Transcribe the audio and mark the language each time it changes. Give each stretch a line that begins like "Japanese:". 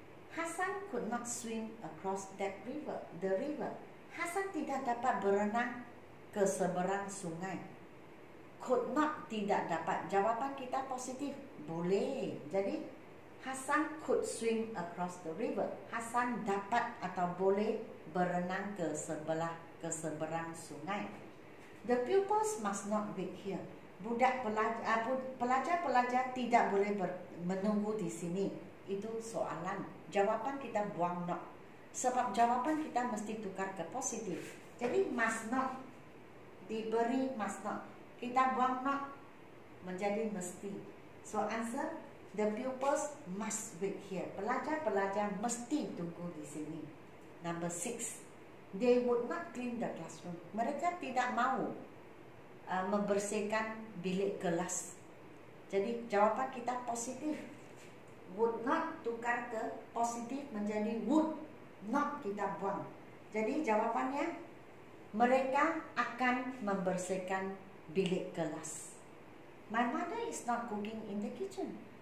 English: Hasan could not swim across that river, the river.
Malay: Hasan tidak dapat berenang ke seberang sungai. Could not tidak dapat. Jawapan kita positif. Boleh. Jadi
English: Hasan could swim across the river.
Malay: Hasan dapat atau boleh berenang ke seberang sungai.
English: The pupils must not wait here.
Malay: Pelajar-pelajar tidak boleh menunggu di sini. itu soalan. Jawaban kita buang not. Sebab jawaban kita mesti tukar ke positif. Jadi must not, diberi must not. Kita buang not menjadi mesti.
English: So answer, the pupils must wait here.
Malay: Pelajar-pelajar mesti tunggu di sini.
English: Number six, they would not clean the classroom.
Malay: Mereka tidak mau membersihkan bilik kelas. Jadi jawapan kita positif. Would not tukar ke positif menjadi would not kita buang. Jadi jawabannya, mereka akan membersihkan bilik kelas.
English: My mother is not cooking in the kitchen.